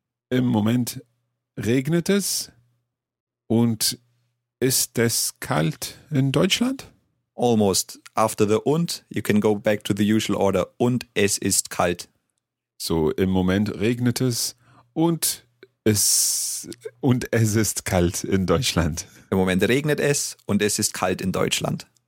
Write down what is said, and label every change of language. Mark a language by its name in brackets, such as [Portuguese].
[German] Im Moment regnet es und ist es kalt in Deutschland? [English] Almost. After the und, you can go back to the usual order. [German] Und es ist kalt. So, im Moment regnet es und es ist kalt in Deutschland. Im Moment regnet es und es ist kalt in Deutschland.